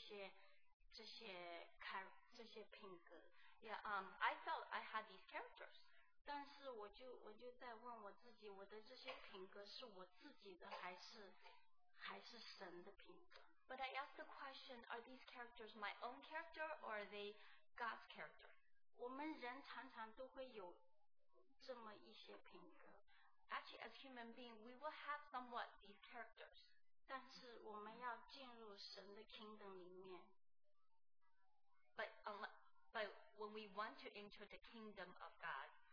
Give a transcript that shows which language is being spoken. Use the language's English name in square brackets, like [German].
[Chinese] 我觉得我好像有这些品格。 [English] Yeah, I felt I had these characters. [Chinese] 但是我就在问我自己，我的这些品格是我自己的还是神的品格？ [English] But I asked the question, are these characters my own character or are they God's character? [Chinese] 我们人常常都会有这么一些品格。 [English] Actually, as human beings, we will have somewhat these characters. [Chinese] 但是我们要进入神的kingdom里面。 [English] But when we want to enter the kingdom of God,